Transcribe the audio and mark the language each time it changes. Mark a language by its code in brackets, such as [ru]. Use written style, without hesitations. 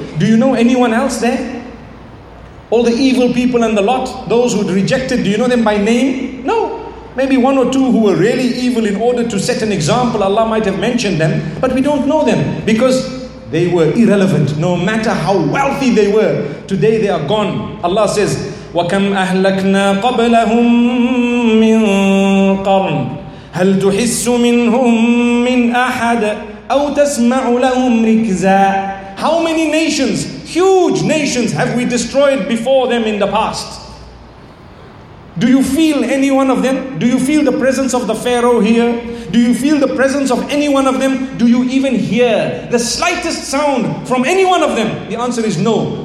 [en] Do you know anyone else there? All the evil people and the lot, those who rejected, do you know them by name? No. Maybe one or two who were really evil in order to set an example, Allah might have mentioned them, but we don't know them because they were irrelevant, no matter how wealthy they were. Today they are gone. [ar] Allah says, وَكَمْ أَهْلَكْنَا قَبْلَهُمْ مِنْ قَرْنٍ هَلْ تُحِسُّ مِنْهُمْ مِنْ أَحَدٍ أَوْ تَسْمَعُ لَهُمْ رِكْزًا. [en] How many nations, huge nations, have we destroyed before them in the past? Do you feel any one of them? Do you feel the presence of the Pharaoh here? Do you feel the presence of any one of them? Do you even hear the slightest sound from any one of them? The answer is no.